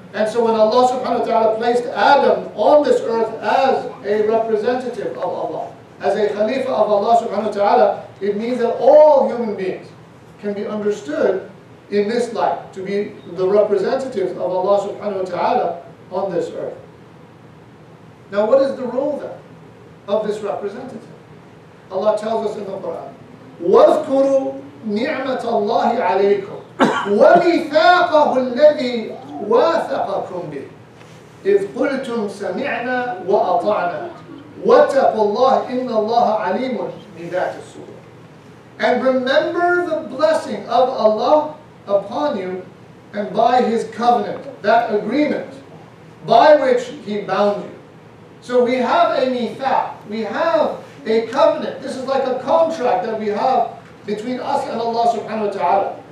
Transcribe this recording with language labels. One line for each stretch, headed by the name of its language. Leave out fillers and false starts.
English: And so when Allah subhanahu wa ta'ala placed Adam on this earth as a representative of Allah, as a khalifa of Allah subhanahu wa ta'ala, it means that all human beings can be understood in this life to be the representatives of Allah subhanahu wa ta'ala on this earth. Now what is the role then of this representative? Allah tells us in the Quran,
Arabic: وَاذْكُرُوا نِعْمَةَ اللَّهِ عَلَيْكُمْ وَمِثَاقَهُ الَّذِي وَاثَقَكُمْ بِهِ إِذْ قُلْتُمْ سَمِعْنَا وَأَطَعْنَا وَاتَّقُوا اللَّهَ إِنَّ اللَّهَ عَلِيمٌ بِذَاتِ الصُّدُورِ.
English: And remember the blessing of Allah upon you and by His covenant, that agreement by which He bound you. So we have a mithaq, we have a covenant. This is like a contract that we have between us and Allah subhanahu wa ta'ala.